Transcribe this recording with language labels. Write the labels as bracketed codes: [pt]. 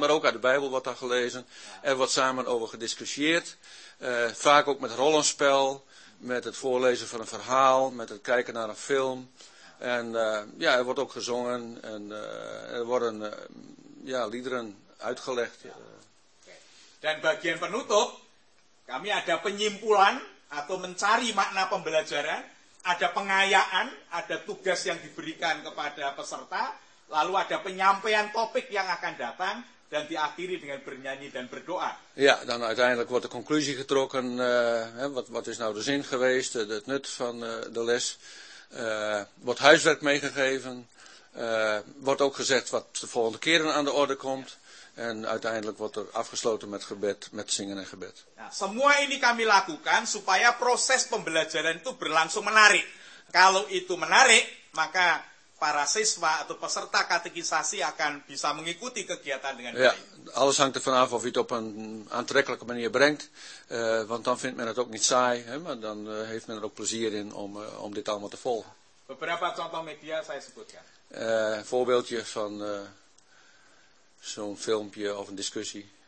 [nl] Maar ook uit de Bijbel wordt daar gelezen. Er wordt samen over gediscussieerd, vaak ook met rollenspel, met het voorlezen van een verhaal, met het kijken naar een film. En ja, er wordt ook gezongen en er worden ja, liederen uitgelegd. Ja. [id] Dan bagian penutup, kami ada penyimpulan atau mencari makna pembelajaran. Ada pengayaan, ada tugas yang diberikan kepada peserta, lalu ada penyampaian topik yang akan datang, dan diakhiri dengan bernyanyi dan berdoa. [nl] Ja, dan uiteindelijk wordt de conclusie getrokken, wat is nou de zin geweest, het nut van de les. Wordt huiswerk meegegeven, wordt ook gezegd wat de volgende keren aan de orde komt. En uiteindelijk wordt er afgesloten met gebed, met zingen en gebed. [id] Nah, semua ini kami lakukan supaya proses pembelajaran itu berlangsung menarik. Kalau itu menarik, maka para siswa atau peserta katekisasi akan bisa mengikuti kegiatan dengan baik. [nl] Ya, alles hangt ervan af of je het op een aantrekkelijke manier brengt. Want dan vindt men het ook niet saai, hè, maar dan heeft men er ook plezier in om dit allemaal te volgen. [id] Beberapa contoh media saya sebutkan. [nl] Voorbeeldje van... zo'n filmpje of een discussie.